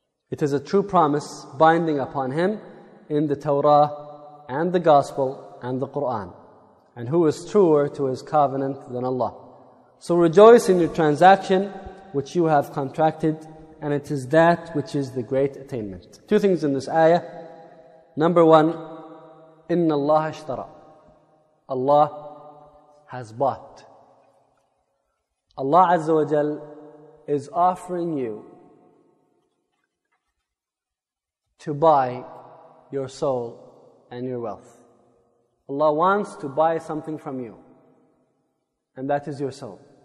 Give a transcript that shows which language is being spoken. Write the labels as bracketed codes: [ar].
[en] It is a true promise binding upon him in the Torah and the Gospel and the Quran. And who is truer to his covenant than Allah? So rejoice in your transaction which you have contracted, and it is that which is the great attainment. Two things in this ayah. Number one, [ar] إِنَّ اللَّهَ اشْتَرَى. [en] Allah has bought. Allah Azza wa Jal is offering you to buy your soul and your wealth. Allah wants to buy something from you, and that is your soul.